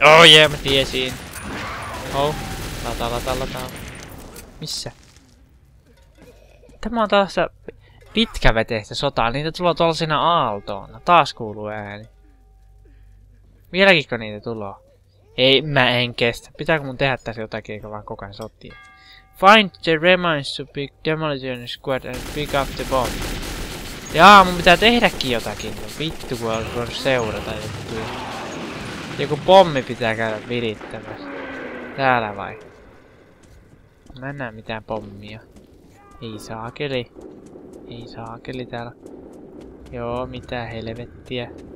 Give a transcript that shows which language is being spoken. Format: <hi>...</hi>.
<fi>Oh yeah, mä tiesin. Oh. Lataa. Missä? Tämä on taas pitkäveteistä sotaa. Niitä tuloa tuolla siinä aaltoona. Taas kuuluu ääni. Vieläkinkö niitä tuloa? Ei, mä en kestä. Pitääkö mun tehdä tässä jotakin, eikä vaan koko ajan sotia?</fi> <en>Find the remains to pick demolition squad and pick up the bomb.</en> <fi>Jaa, mun pitää tehdäkin jotakin. Vittu, kun olisiko seurata juttuja. Joku pommi pitää käydä virittämässä. Täällä vai? Mä en näe mitään pommia. Ei saakeli täällä. Joo, mitä helvettiä.</fi>